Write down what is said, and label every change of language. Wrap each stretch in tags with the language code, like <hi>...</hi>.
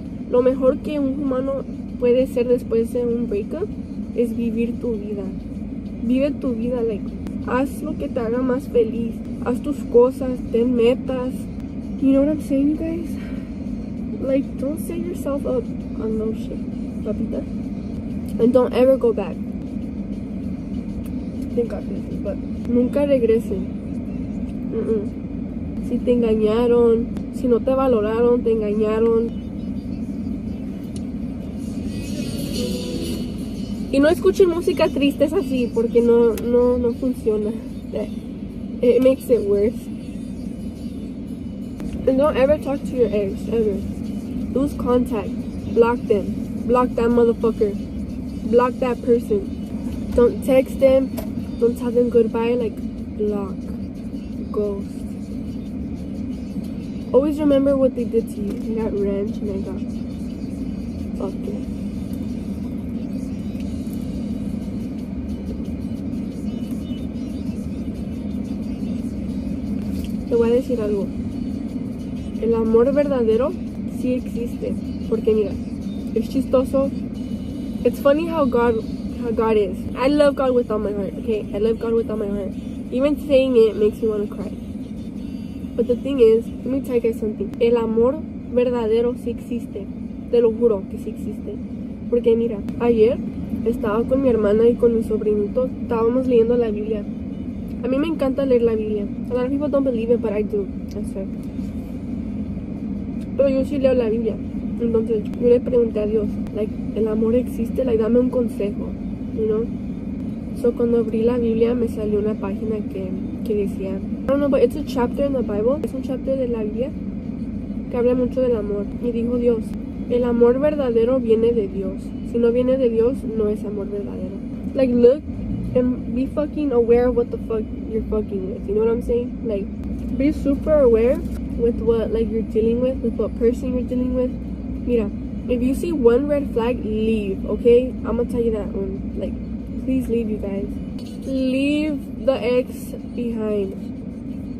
<es>Lo mejor que un humano puede ser después de un breakup es vivir tu vida. Vive tu vida, like, haz lo que te haga más feliz. Haz tus cosas, ten metas.</es> <en>You know what I'm saying, you guys? Like, don't set yourself up on no shit, papita. And don't ever go back. Think of this, but</en> <es>nunca regresen. Si te engañaron, si no te valoraron, te engañaron. Y no escuchen música triste, es así, porque no funciona.</es> <en>It makes it worse. And don't ever talk to your ex, ever. Lose contact. Block them. Block that motherfucker. Block that person. Don't text them. Don't tell them goodbye. Like, block. Ghost. Always remember what they did to you. You got ranch and I got fucking.</en> <es>Te voy a decir algo. El amor verdadero sí existe. Porque mira, es chistoso.</es> <en>It's funny how God is. I love God with all my heart, okay? I love God with all my heart. Even saying it makes me want to cry. But the thing is, let me tell you guys something.</en> <es>El amor verdadero sí existe. Te lo juro que sí existe. Porque mira, ayer estaba con mi hermana y con mi sobrinito, estábamos leyendo la Biblia. A mí me encanta leer la Biblia.</es> <en>A lot of people don't believe it, but I do. That's right.</en> <es>Pero yo sí leo la Biblia. Entonces, yo le pregunté a Dios, like, ¿el amor existe?</es> <en>Like,</en> <es>dame un consejo,</es> <en>you know? So,</en> <es>cuando abrí la Biblia, me salió una página que decía,</es> <en>I don't know, but it's a chapter in the Bible.</en> <es>Es un chapter de la Biblia que habla mucho del amor. Y dijo Dios, el amor verdadero viene de Dios. Si no viene de Dios, no es amor verdadero.</es> <en>Like, look and be fucking aware of what the fuck you're fucking with. You know what I'm saying? Like, be super aware with what, like, you're dealing with what person you're dealing with. Mira, if you see one red flag, leave, okay? I'm gonna tell you that one. Like, please leave, you guys. Leave the ex behind.</en>